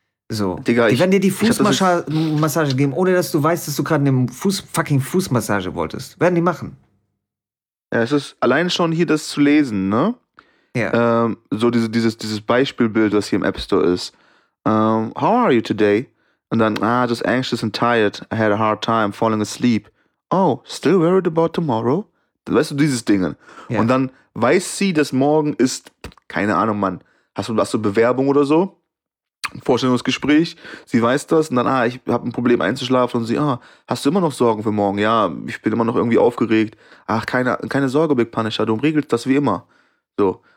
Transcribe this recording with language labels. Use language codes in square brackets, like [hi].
[de] So. Digga, die werden dir die Fußmassage geben, ohne dass du weißt, dass du gerade eine fucking Fußmassage wolltest. Werden die machen. Ja, es ist allein schon hier das zu lesen, ne? Ja. So dieses Beispielbild, das hier im App Store ist. [en] How are you today? [de] Und dann, [en] just anxious and tired. I had a hard time falling asleep. Oh, still worried about tomorrow? [de] Weißt du, dieses Ding. Yeah. Und dann weiß sie, dass morgen ist, keine Ahnung, Mann, hast du Bewerbung oder so? Vorstellungsgespräch. Sie weiß das und dann, ich habe ein Problem einzuschlafen. Und sie, hast du immer noch Sorgen für morgen? Ja, ich bin immer noch irgendwie aufgeregt. Ach, keine Sorge, Big Punisher, du regelst das wie immer. So.